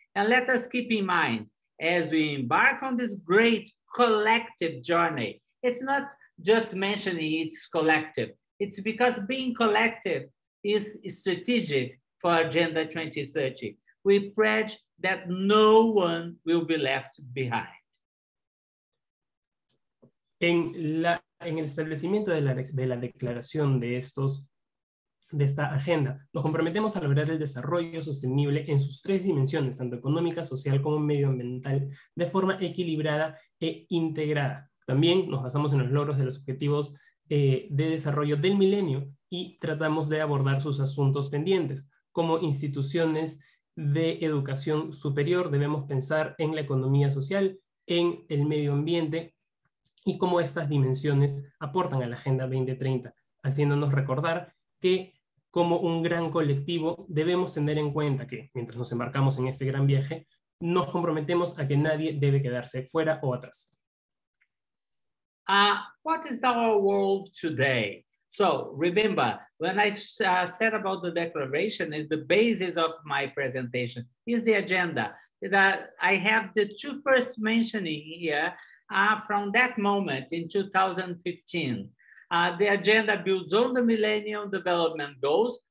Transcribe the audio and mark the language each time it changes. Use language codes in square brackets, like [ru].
[en] And let us keep in mind, as we embark on this great collective journey, it's not just mentioning it's collective. It's because being collective is strategic for Agenda 2030. We pledge that no one will be left behind. [es] En el establecimiento de la declaración de esta agenda, nos comprometemos a lograr el desarrollo sostenible en sus tres dimensiones, tanto económica, social como medioambiental, de forma equilibrada e integrada. También nos basamos en los logros de los objetivos de desarrollo del milenio y tratamos de abordar sus asuntos pendientes. Como instituciones de educación superior, debemos pensar en la economía social, en el medio ambiente, y cómo estas dimensiones aportan a la Agenda 2030, haciéndonos recordar que, como un gran colectivo, debemos tener en cuenta que, mientras nos embarcamos en este gran viaje, nos comprometemos a que nadie debe quedarse fuera o atrás. [en] What is our world today? So, remember, when I said about the declaration, the basis of my presentation is the agenda, that I have the two first mentioning here. From that moment in 2015, the agenda builds on the Millennium Development Goals.